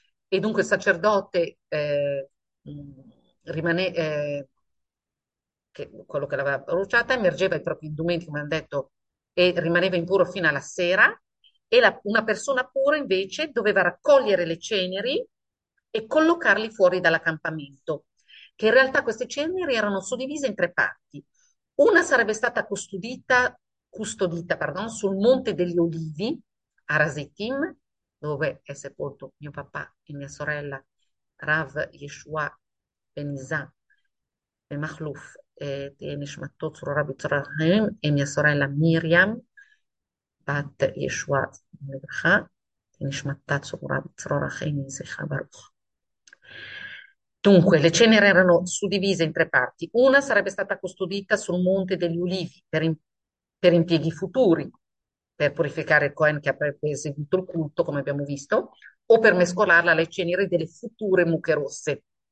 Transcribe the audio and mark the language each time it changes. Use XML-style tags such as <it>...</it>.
<it>E dunque il sacerdote quello che l'aveva bruciata, immergeva i propri indumenti, come hanno detto, e rimaneva impuro fino alla sera, una persona pura invece doveva raccogliere le ceneri e collocarli fuori dall'accampamento, che in realtà queste ceneri erano suddivise in 3 parti. Una sarebbe stata custodita, pardon, sul Monte degli Olivi a Razetim, dove è sepolto mio papà e mia sorella Rav Yeshua Benizza,</it> <he>מכלוף, תהיה נשמתו צרורה בצרורהם, אם יסורה אלה מרים, בת ישועה, לברכה, תהיה נשמתה צרורה בצרורהם, יזכה ברוך.</he> <it>Dunque, le ceneri erano suddivise in tre parti. Una sarebbe stata custodita sul monte degli ulivi per impieghi futuri, per purificare il Cohen che avrebbe eseguito il culto, come abbiamo visto, o per mescolarla alle ceneri delle future mucche rosse.</it>